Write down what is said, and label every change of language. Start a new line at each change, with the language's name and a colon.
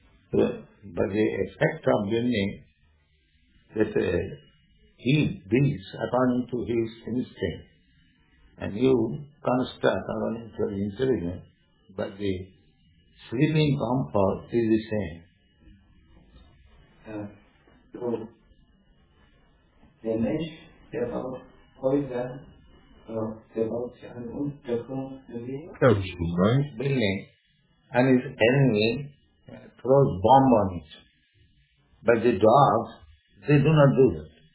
English: But the effect of building that he builds according to his instinct, and you construct according to your intelligence, but the sleeping comfort is the same.
German: So, der Mensch, der baut Häuser, der baut sich eine Unterkunft,
English: building, and his enemy throws bomb on it. But the dogs, they do not do that.